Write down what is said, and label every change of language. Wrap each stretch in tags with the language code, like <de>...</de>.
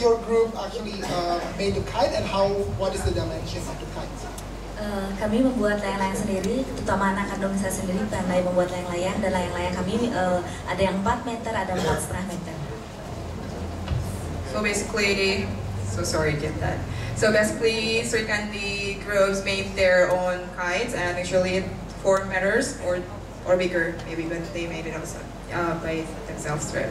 <en>your group actually make the kite, and how, what is the dimension of the kite?</en> <id>Kami membuat layang-layang sendiri, terutama anak kandung saya sendiri pandai membuat layang-layang, dan layang-layang kami ada yang 4 meter, ada 4,5 meter.</id> <en>So basically, so sorry, get that. So basically, Srikandi groups made their own kites, and actually 4 meters or bigger, maybe, but they made it also by themselves, right?</en>